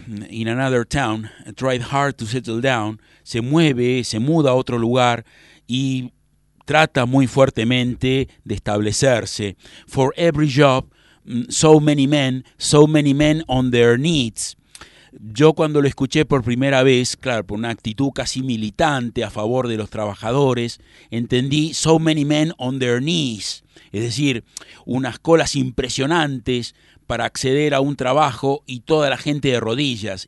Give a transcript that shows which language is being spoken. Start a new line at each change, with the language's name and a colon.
English: In another town, tried hard to settle down.
Spanish: Se mueve, se muda a otro lugar y trata muy fuertemente de establecerse.
English: For every job, so many men on their knees.
Spanish: Yo cuando lo escuché por primera vez, claro, por una actitud casi militante a favor de los trabajadores, entendí
English: so many men on their knees,
Spanish: es decir, unas colas impresionantes para acceder a un trabajo y toda la gente de rodillas.